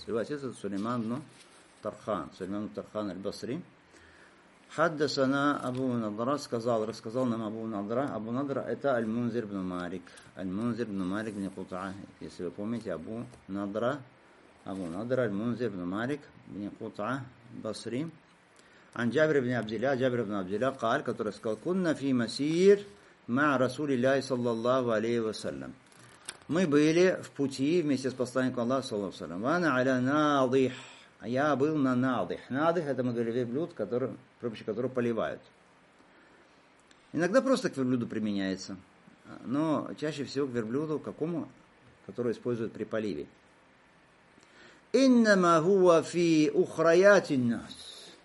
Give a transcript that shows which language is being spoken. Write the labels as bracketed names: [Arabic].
[Russian] Его отец это Сулейман бин Тархан, Сулейман бин Тархан аль-Басри. Хаддасана Абу Надра, сказал, рассказал нам Абу Надра, Абу Надра это Аль-Мунзир бин Марик, Аль-Мунзир бин Марик бин Кутаа, если вы помните, Абу Надра, Аль-Мунзир бин Марик бин Кутаа, Басри. [Arabic] عن جابر بن عبد الله جابر بن عبد الله قال [Russian] который сказал [Arabic] كنا في مسير مع رسول الله صلى الله عليه وسلم [Russian] мы были в пути вместе с посланником Аллаха саллаллаху алейхи ва саллям [Arabic] وانا على ناضح [Russian] я был на надых. Надых это мы говорили верблюд, который при помощи которого поливают. Иногда просто к верблюду применяется, но чаще всего к верблюду какому, который используют при поливе. [Arabic] انما هو في اخريات الناس.